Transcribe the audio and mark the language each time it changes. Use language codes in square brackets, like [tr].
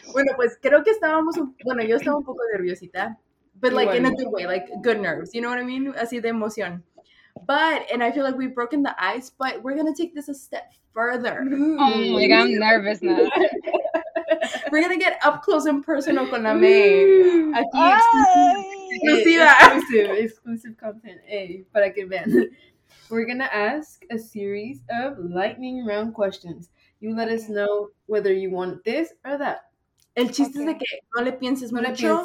[es] Bueno, pues creo que estábamos yo estaba un poco nerviosita. [en] But like in a good way, like good nerves, you know what I mean? [es] Así de emoción. [en] But, and I feel like we've broken the ice, but we're going to take this a step further. Oh my God, I'm nervous now. We're going to get up close and personal [es] con la May. Aquí, exclusiva. [en] Exclusive content. Hey, [es] para que vean. [en] We're going to ask a series of lightning round questions. You let us know whether you want this or that. [es] El chiste es de que no le pienses mucho.